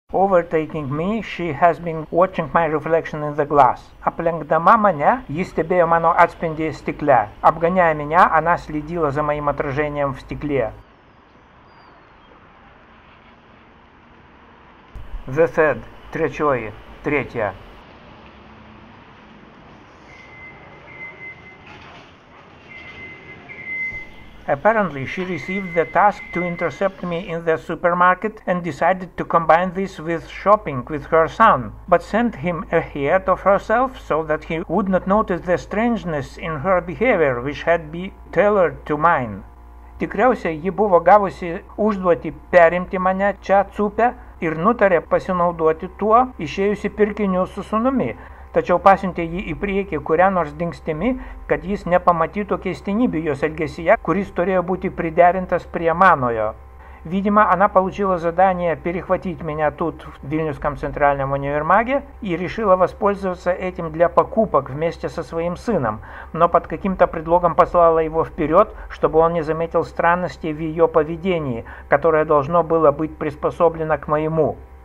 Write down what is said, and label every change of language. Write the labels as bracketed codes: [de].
[en] Overtaking me, she has been watching my reflection in the glass. [lt] Aplenkdama mane, ji stebėjo mano atspindį stikle. [ru] Обгоняя меня, она следила за моим отражением в стекле. [en] The third. [ru] Третьой. Третья. [en] Apparently, she received the task to intercept me in the supermarket and decided to combine this with shopping with her son, but sent him ahead of herself so that he would not notice the strangeness in her behavior, which had been tailored to mine. [lt] Tikriausiai, ji buvo gavusi užduotį perimti mane čia ЦУПę, ir nutarė pasinaudoti tuo, išėjusi pirkiniu su sūnumi, tačiau pasiuntė jį į priekį kurią nors dingstimi, kad jis nepamatytų keistinybių jos elgesyje, kuris turėjo būti priderintas prie manojo. [ru] Видимо, она получила задание перехватить меня тут, в Вильнюсском центральном универмаге, и решила воспользоваться этим для покупок вместе со своим сыном, но под каким-то предлогом послала его вперед, чтобы он не заметил странности в ее поведении, которое должно было быть приспособлено к моему.